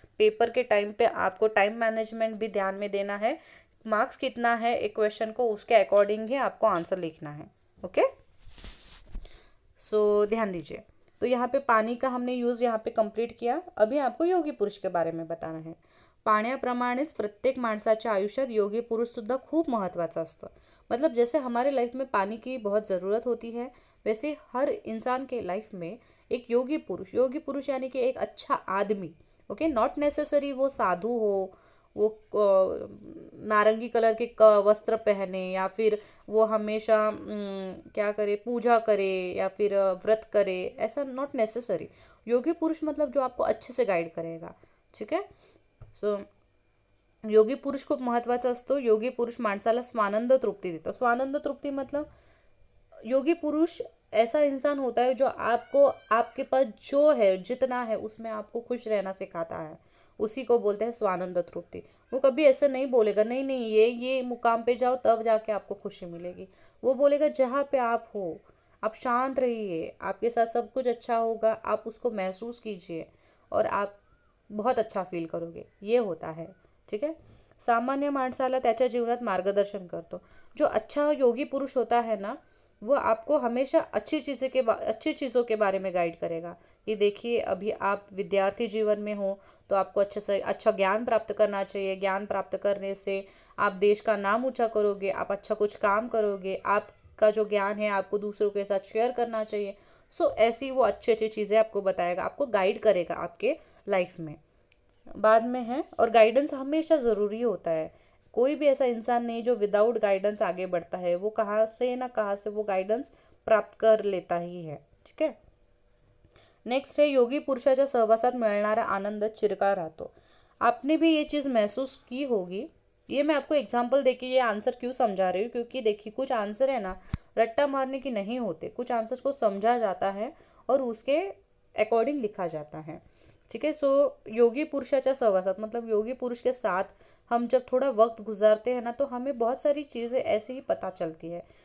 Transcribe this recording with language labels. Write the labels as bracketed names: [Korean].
[Hindi] Paper के time पे आपको टाइम मैनेजमेंट भी ध्यान में देना है, मार्क्स कितना है एक क्वेश्चन को, उसके अकॉर्डिंग ही आपको आंसर लिखना है। ओके, सो ध्यान दीजिए। तो यहाँ पे पानी का हमने यूज़ यहाँ पे कंप्लीट किया, अभी आपको योगी पुरुष के बारे में बताना है। [Marathi] पाण्याप्रमाणेच प्रत्येक माणसाच्या आयुष्यात योगी पुरुष सुद्धा खूप महत्त्वाचा असतो। [Hindi] मतलब जैसे हमारे लाइफ में पानी की बहुत ज़रूरत होती है, वैसे हर इंसान के लाइफ में एक योगी पुरुष यानी कि एक अच्छा आदमी, ओके, नॉट नेसेसरी वो साधु हो, वो नारंगी कलर के वस्त्र पहने, या फिर वो हमेशा क्या करे, पूजा करे या फिर व्रत करे, ऐसा नॉट नेसेसरी। योगी पुरुष मतलब जो आपको अच्छे से गाइड करेगा। ठीक है, [Marathi] योगी पुरुष खूप महत्त्वाचा असतो। योगी पुरुष माणसाला स्वानंद तृप्ती देतो। स्वानंद तृप्ती [Hindi] मतलब योगी पुरुष ऐसा इंसान होता है जो आपको, आपके पास जो है जितना है उसमें आपको खुश रहना सिखाता है, उसी को बोलते हैं स्वानंद तृप्ति। वो कभी ऐसे नहीं बोलेगा, नहीं नहीं ये मुकाम पे जाओ तब जाके आपको खुशी मिलेगी। वो बोलेगा जहाँ पे आप हो आप शांत रहिए, आपके साथ सब कुछ अच्छा होगा, आप उसको महसूस कीजिए और आप बहुत अच्छा फील करोगे। ये होता है, ठीक है। [Marathi] सामान्य माणसाला त्याच्या जीवनात मार्गदर्शन करतो। [Hindi] जो अच्छा योगी पुरुष होता है ना, वो आपको हमेशा अच्छी चीज़ों के बारे में गाइड करेगा। ये देखिए, अभी आप विद्यार्थी जीवन में हो तो आपको अच्छे से अच्छा ज्ञान प्राप्त करना चाहिए। ज्ञान प्राप्त करने से आप देश का नाम ऊंचा करोगे, आप अच्छा कुछ काम करोगे, आपका जो ज्ञान है आपको दूसरों के साथ शेयर करना चाहिए। सो ऐसी वो अच्छी अच्छी चीज़ें आपको बताएगा, आपको गाइड करेगा आपके लाइफ में बाद में, है। और गाइडेंस हमेशा ज़रूरी होता है। कोई भी ऐसा इंसान नहीं जो विदाउट गाइडेंस आगे बढ़ता है, वो कहाँ से ना कहाँ से वो गाइडेंस प्राप्त कर लेता ही है, ठीक है। नेक्स्ट है, [Marathi] योगी पुरुषाच्या सहवासात मिळणारा आनंद चिरकाळ राहतो। [Hindi] आपने भी ये चीज़ महसूस की होगी। ये मैं आपको एग्जांपल देके ये आंसर क्यों समझा रही हूँ, क्योंकि देखिए कुछ आंसर है ना रट्टा मारने की नहीं होते, कुछ आंसर को समझा जाता है और उसके अकॉर्डिंग लिखा जाता है, ठीक है। सो [Marathi] योगी पुरुषाच्या सहवासात [Hindi] मतलब योगी पुरुष के साथ हम जब थोड़ा वक्त गुजारते हैं ना, तो हमें बहुत सारी चीज़ें ऐसे ही पता चलती है।